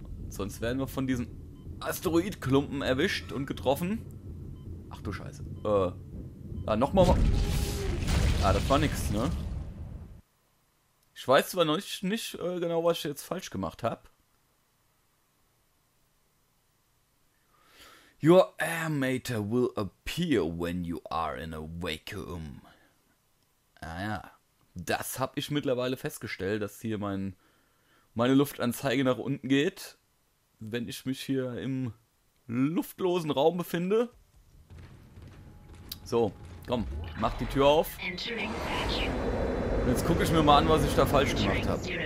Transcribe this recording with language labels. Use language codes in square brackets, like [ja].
[de] Sonst werden wir von diesem Asteroidklumpen erwischt und getroffen. Ach du Scheiße. Nochmal. Ah, das war nix, ne? Ich weiß zwar noch nicht genau, was ich jetzt falsch gemacht habe. [en] Your air mater will appear when you are in a vacuum. [de] Ah ja. Das habe ich mittlerweile festgestellt, dass hier meine Luftanzeige nach unten geht. Wenn ich mich hier im luftlosen Raum befinde. So, komm, mach die Tür auf. Jetzt gucke ich mir mal an, was ich da falsch gemacht habe.